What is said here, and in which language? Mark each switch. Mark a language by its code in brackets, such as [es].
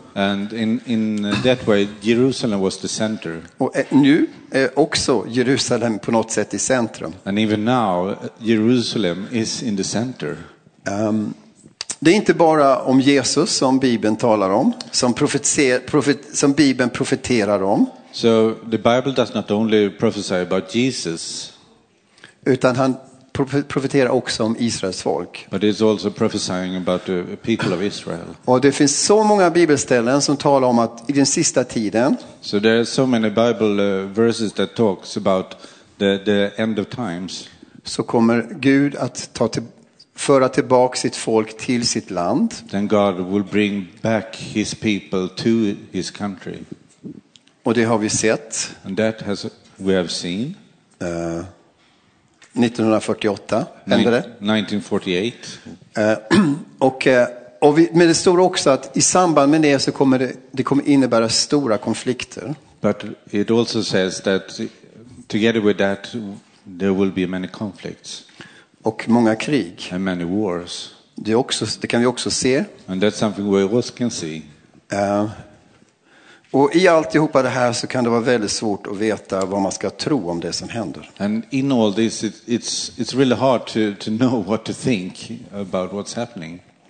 [en] And in that way Jerusalem was the center. [sv] Och nu är också Jerusalem på något sätt i centrum. [en] And even now Jerusalem is in the center. [sv] Det är inte bara om Jesus som Bibeln talar om, som Bibeln profeterar om. [en] So the Bible does not only prophesy about Jesus. [sv] Utan han profeterar också om Israels folk. [en] But it's also prophesying about the people of Israel. [sv] Och det finns så många bibelställen som talar om att i den sista tiden. [en] So there are so many Bible verses that talks about the end of times. [sv] Så kommer Gud att ta till föra tillbaka sitt folk till sitt land. [en] Then God will bring back his people to his country. [sv] Och det har vi sett. [en] And that has we have seen. [sv] 1948. Men det står också att i samband med det så kommer det kommer innebära stora konflikter. [en] But it also says that together with that there will be many conflicts. [sv] Och många krig. [en] And many wars. [sv] Det kan vi också se. [en] And that's something we also can see. [sv] Och i alltihopa det här så kan det vara väldigt svårt att veta vad man ska tro om det som händer. [en] And in all this it's really hard to know what to think about what's happening.